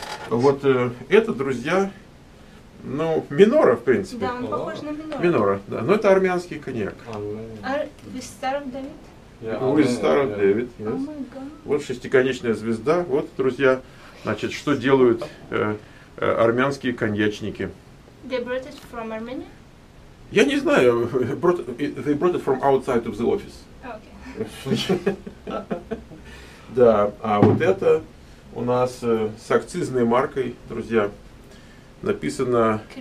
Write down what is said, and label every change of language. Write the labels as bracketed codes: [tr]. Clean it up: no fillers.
[ru] Вот это, друзья, ну, минора, в принципе. Да, он похож на минора. Минора, да. Но это армянский коньяк. Вы старый Дэвид. Вот шестиконечная звезда. Вот, друзья, значит, что делают армянские коньячники. [en] They brought it from Armenia? [ru] Я не знаю, [en] they brought it from outside of the office. [ru] Да, а вот это у нас с акцизной маркой, друзья, написано...